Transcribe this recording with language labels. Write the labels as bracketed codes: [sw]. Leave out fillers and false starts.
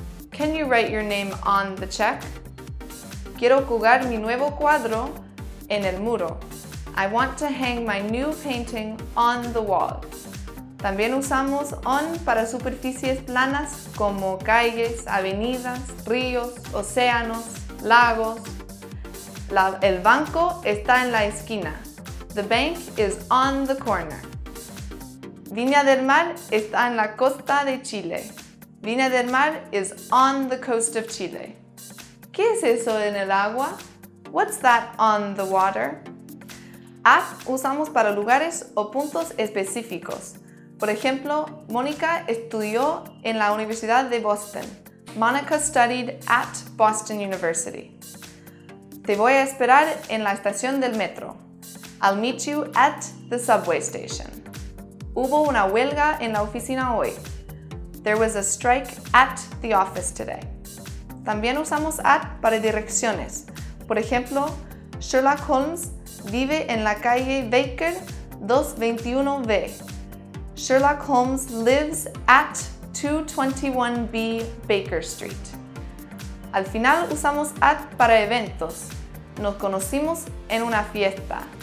[en] Can you write your name on the check? [es] Quiero colgar mi nuevo cuadro en el muro. [en] I want to hang my new painting on the wall. [es] También usamos on para superficies planas como calles, avenidas, ríos, océanos, lagos. El banco está en la esquina. [en] The bank is on the corner. [es] Viña del Mar está en la costa de Chile. [en] Viña del Mar is on the coast of Chile. [es] ¿Qué es eso en el agua? [en] What's that on the water? [es] At usamos para lugares o puntos específicos. Por ejemplo, Mónica estudió en la Universidad de Boston. [en] Monica studied at Boston University. [es] Te voy a esperar en la estación del metro. [en] I'll meet you at the subway station. [es] Hubo una huelga en la oficina hoy. [en] There was a strike at the office today. [es] También usamos at para direcciones. Por ejemplo, Sherlock Holmes vive en la calle Baker 221B. [en] Sherlock Holmes lives at 221B Baker Street. [es] Al final usamos at para eventos. Nos conocimos en una fiesta.